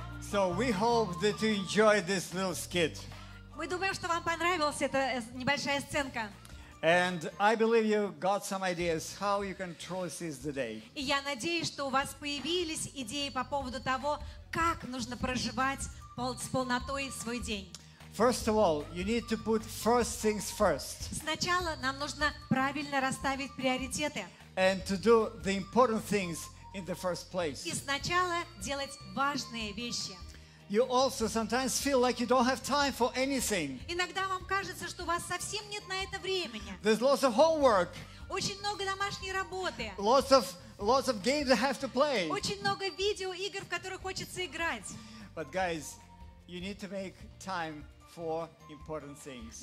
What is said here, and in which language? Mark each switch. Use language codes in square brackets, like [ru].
[en] So we hope that you enjoy this little skit. [ru] Мы думаем, что вам понравилась эта небольшая сценка. [en] And I believe you got some ideas how you can truly seize the day. [ru] И я надеюсь, что у вас появились идеи по поводу того, как нужно проживать с полнотой свой день. [en] First of all, you need to put first things first. [ru] Сначала нам нужно правильно расставить приоритеты. [en] And to do the important things in the first place. [ru] И сначала делать важные вещи. [en] You also sometimes feel like you don't have time for anything. [ru] Иногда вам кажется, что у вас совсем нет на это времени. [en] There's lots of homework. [ru] Очень много домашней работы. [en] Lots of games I have to play. [ru] Очень много видеоигр, в которые хочется играть. [en] But guys, you need to make time for important things.